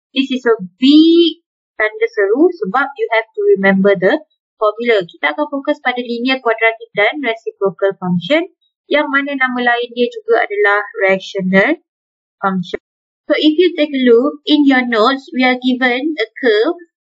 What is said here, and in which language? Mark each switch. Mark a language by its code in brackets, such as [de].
[en] This is a big [id] tanda seru sebab [en] you have to remember the formula. [id] Kita akan fokus pada linear quadratic dan reciprocal function, yang mana nama lain dia juga adalah rational function. [en] So if you take a look in your notes, we are given a curve.